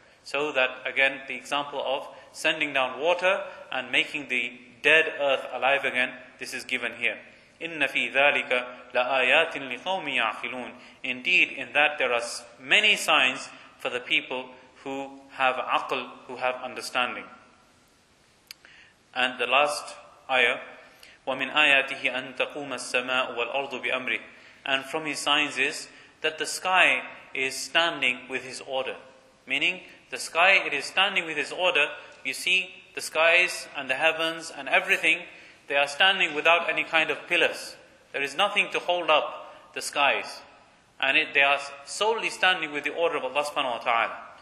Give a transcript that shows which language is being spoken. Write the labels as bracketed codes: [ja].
[en] So that, again, the example of sending down water and making the dead earth alive again, this is given here. [ar] إِنَّ فِي ذَٰلِكَ لَآيَاتٍ لِقَوْمِ يَعْقِلُونَ. [en] Indeed, in that there are many signs for the people who have aql, who have understanding. And the last ayah, [ar] وَمِنْ آيَاتِهِ أَن تَقُومَ السَّمَاءُ وَالْأَرْضُ بِأَمْرِهِ. [en] And from his signs is that the sky is standing with his order. Meaning, the sky, it is standing with his order. You see, the skies and the heavens and everything, they are standing without any kind of pillars. There is nothing to hold up the skies. And they are solely standing with the order of Allah subhanahu wa ta'ala.